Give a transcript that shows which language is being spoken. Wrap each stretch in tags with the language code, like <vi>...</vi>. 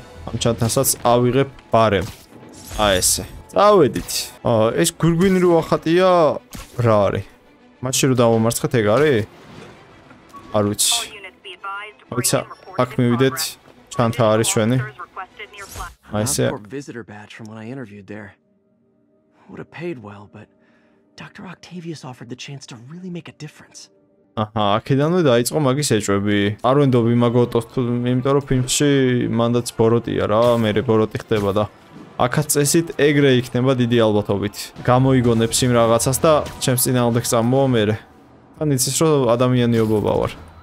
<ka>ამ ჩანთასაც ავიღებ ბარემ. აი ესე. წავედით. ეს გურგვინი რო ახატია რა არის? მაშინ რო დავამარცხეთ ეგ არის? არ ვიცი. ვიცი, აქ მივიდეთ, ჩანთა არის ჩვენი. აი ესე.</ka> <en>Visitor badge from when I interviewed there. Would have paid well, but Dr. Octavius offered the chance to really make a difference.</en> <ka>აჰა, აქედანვე დაიწყო მაგის ეჭვები. არ ვენდობი მაგოტოს, იმიტომ რომ ფილმში მანდაც ბოროტია რა, მე რე ბოროტი ხდება და აქაც წესით ეგრე იქნება დიდი ალბათობით. გამოიგონებს იმ რაღაცას და ჩემს წინააღმდეგ წამოვა მე რე. ან იცის რომ ადამიანიობა ვარ.</ka>